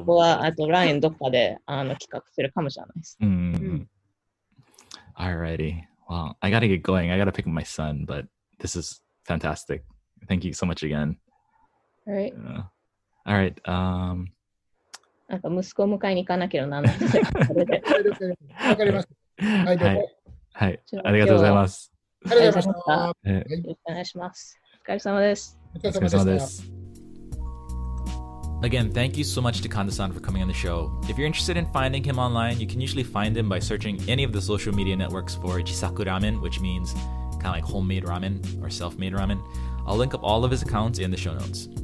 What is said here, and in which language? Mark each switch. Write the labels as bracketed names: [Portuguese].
[Japanese] ここは、あと、ラインどっかであの企画するかもしれないです。 [English] うん。Alrighty. Well, I gotta get going. I gotta pick up my son, but this is fantastic. Thank you so much again. Alright. All right. [Japanese] なんか息子を迎えに行かなければならない。はい。ありがとうございます。ありがとうございました。よろしくお願いします。お疲れ様です。お疲れ様です。 [English] Again, thank you so much to Kanda-san for coming on the show. If you're interested in finding him online, you can usually find him by searching any of the social media networks for Chisaku Ramen, which means kind of like homemade ramen or self-made ramen. I'll link up all of his accounts in the show notes.